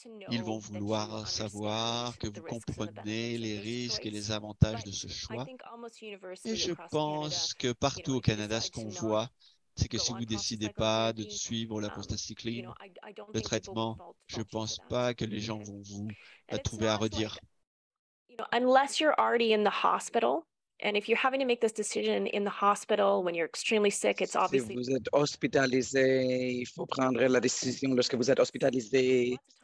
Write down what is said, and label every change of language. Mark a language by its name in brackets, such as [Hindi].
[French] Ils vont vouloir savoir que vous comprenez les risques et les avantages de ce choix. Et je pense que partout au Canada, ce qu'on voit, c'est que si vous ne décidez pas de suivre la prostacycline, le traitement, je ne pense pas que les gens vont vous trouver à redire. [English] Unless you're already in the hospital. And if you're having to make this decision in the hospital when you're extremely sick, it's obviously. [French] Si vous êtes hospitalisé, il faut prendre la décision lorsque vous êtes hospitalisé.